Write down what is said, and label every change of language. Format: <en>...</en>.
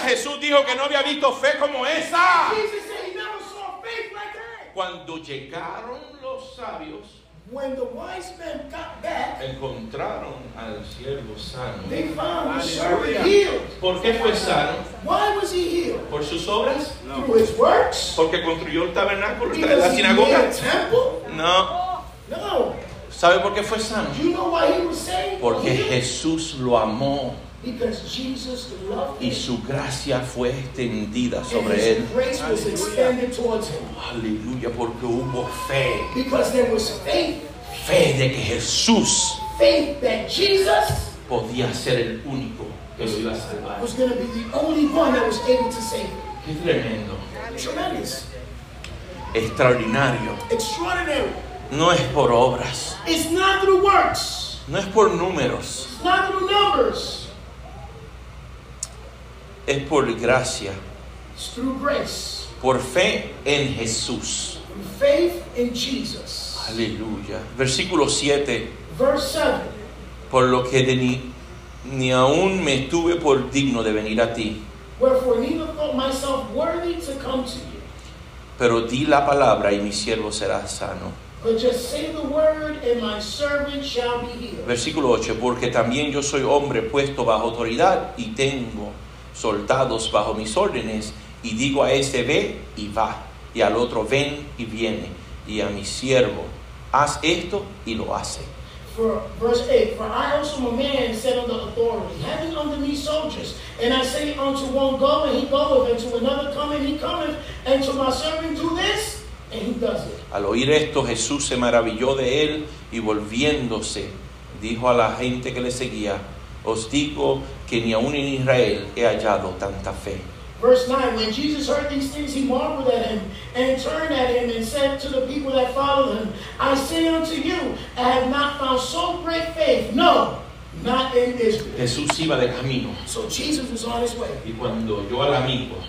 <es>Jesús dijo que no había visto fe como esa.</es> <en>Jesus said he never saw faith like that.</en> <es>Cuando llegaron los sabios,</es> <en>when the wise men got back,</en> <es>encontraron al siervo sano.</es> <en>They found the servant healed.</en> <es>¿Por qué fue sano?</es> <en>Why was he healed?</en> <es>¿Por sus obras?</es> <en>No. Through his works?</en> <es>Porque construyó el tabernáculo,</es> <en>because</en> <es>la sinagoga.</es> <en>He made a temple?</en> <es>No.</es> <en>No.</en> <es>¿Sabe por qué fue sano?</es> <en>You know why he was saved?</en> <es>Porque Jesús lo amó.</es> <en>Because Jesus loved him.</en> <es>Y su gracia fue extendida sobre él.</es> <en>His grace was extended towards him.</en> <es>Aleluya, porque hubo fe.</es> <en>Because there was faith.</en> <es>Fe de que Jesús.</es> <en>Faith that Jesus</en> <es>podía ser el único que lo iba a salvar.</es> <en>Was going to be the only one that was able to save him.</en> <es>Qué tremendo.</es> <en>Tremendous.</en> <es>Extraordinario.</es> <en>Extraordinary.</en> <es>No es por obras.</es> <en>It's not through works.</en> <es>No es por números.</es> <en>It's not through numbers.</en> <es>Es por gracia.</es> <en>It's through grace.</en> <es>Por fe en Jesús.</es> <en>Faith in Jesus.</en> <es>Aleluya. Versículo 7.</es> <en>Verse 7.</en> <es>Por lo que ni aún me tuve por digno de venir a ti.</es> <en>Wherefore neither thought myself worthy to come to you.</en> <es>Pero di la palabra y mi siervo será sano.</es> <en>But just say the word and my servant shall be healed.</en> <es>Versículo 8. Porque también yo soy hombre puesto bajo autoridad y tengo soldados bajo mis órdenes, y digo a este ve y va, y al otro ven y viene, y a mi siervo haz esto y lo hace.</es> <en>For verse 8, for I also am a man set under authority, having under me soldiers, and I say unto one go and he goeth, and to another come and he cometh, and to my servant do this and he does it.</en> <es>Al oír esto Jesús se maravilló de él, y volviéndose dijo a la gente que le seguía, os digo que ni aun en Israel he hallado tanta fe.</es> <en>Verse 9, when Jesus heard these things, he marveled at him, and turned at him, and said to the people that followed him, I say unto you, I have not found so great faith, no, not in Israel.</en> <es>Jesús iba de camino.</es> <en>So Jesus was on his way.</en> <es>Y cuando oyó al amigo,</es>